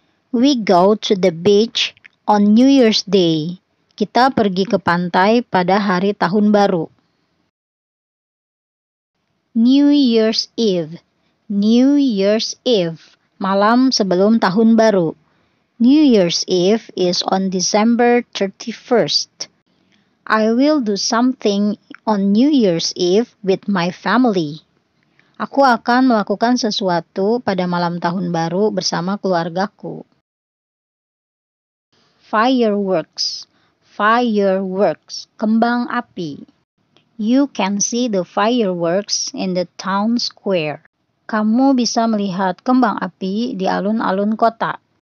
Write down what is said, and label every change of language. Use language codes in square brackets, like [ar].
[en] We go to the beach on New Year's Day. [id] Kita pergi ke pantai pada hari Tahun Baru. [en] New Year's Eve, New Year's Eve, [id] malam sebelum Tahun Baru. [en] New Year's Eve is on December 31st. I will do something on New Year's Eve with my family. [id] Aku akan melakukan sesuatu pada malam Tahun Baru bersama keluargaku. [en] Fireworks. Fireworks, [id] kembang api. [en] You can see the fireworks in the town square. [id] Kamu bisa melihat kembang api di alun-alun kota.